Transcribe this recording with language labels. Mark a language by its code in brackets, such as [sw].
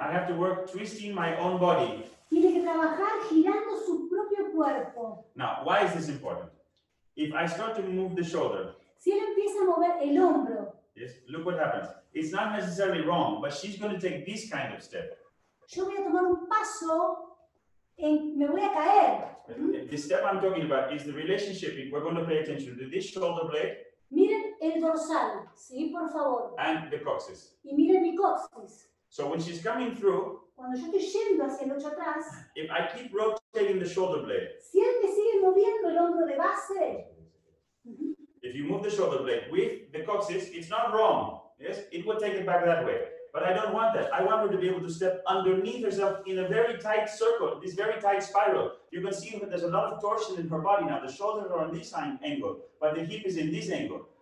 [en] I have to work twisting my own body. [es] Tiene que trabajar girando su propio cuerpo. [en] Now, why is this important? If I start to move the shoulder. [es] Si él empieza a mover el hombro. [en] Yes, look what happens. It's not necessarily wrong, but she's going to take this kind of step. [es] Yo voy a tomar un paso y me voy a caer. [en] The step I'm talking about is the relationship. We're going to pay attention to this shoulder blade. [es] Miren el dorsal, sí, por favor. [en] And the coxis. [es] Y miren mi coxis. [en] So when she's coming through. [es] Cuando yo estoy yendo hacia el ocho atrás. [en] If I keep rotating the shoulder blade. [es] Si él me sigue moviendo el hombro de base. [en] If you move the shoulder blade with the coxis, it's not wrong. Yes, it will take it back that way. But I don't want that. I want her to be able to step underneath herself in a very tight circle, this very tight spiral. You can see that there's a lot of torsion in her body now. The shoulders are on this angle, but the hip is in this angle.